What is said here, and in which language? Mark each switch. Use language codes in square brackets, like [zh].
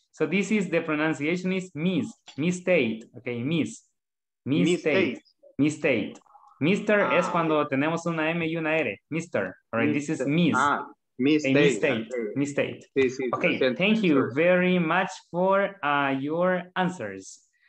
[en] So this is, the pronunciation is miss, mistake. Okay, miss, mistake, mistake. [es] Mister es cuando tenemos una M y una R. [en] Mister, all right, this is miss. Mistake. Mistake. Okay, thank you very much for your answers.